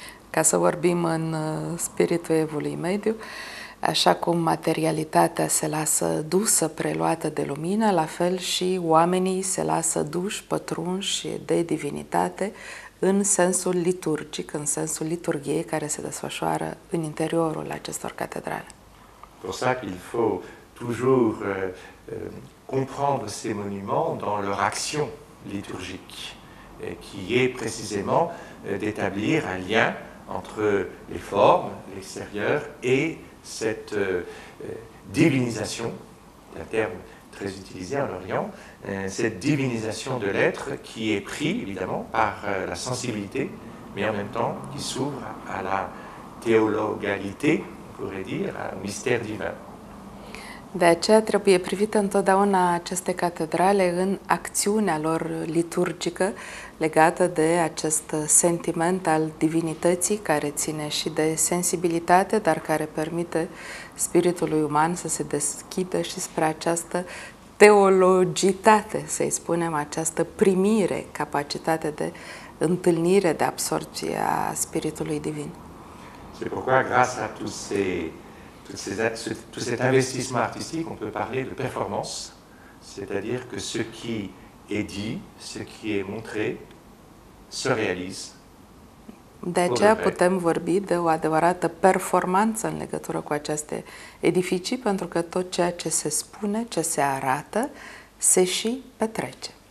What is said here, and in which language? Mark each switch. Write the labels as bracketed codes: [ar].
[ro] Ca să vorbim în spiritul evului mediu, așa cum materialitatea se lasă dusă, preluată de lumină, la fel și oamenii se lasă duși, pătrunși de divinitate în sensul liturgic, în sensul liturgiei care se desfășoară în interiorul acestor catedrale. [fr] Pour ça qu'il faut toujours comprendre ces monuments dans leur action liturgique. Qui est précisément d'établir un lien entre les formes, l'extérieur et cette divinisation, un terme très utilisé en Orient, cette divinisation de l'être qui est pris évidemment par la sensibilité, mais en même temps qui s'ouvre à la théologalité, on pourrait dire, au mystère divin. [ro] De aceea trebuie privită întotdeauna aceste catedrale în acțiunea lor liturgică legată de acest sentiment al divinității care ține și de sensibilitate, dar care permite spiritului uman să se deschidă și spre această teologitate, să-i spunem, această primire, capacitate de întâlnire, de absorbție a spiritului divin. [fr] C'est pourquoi grâce à tous ces tout cet investissement artistique, on peut parler de performance, c'est-à-dire que ce qui est dit, ce qui est montré, se réalise. [ro] De aceea putem vorbi de o adevărată performanță în legătură cu aceste edificii, pentru că tot ceea ce se spune, ce se arată, se și petrece.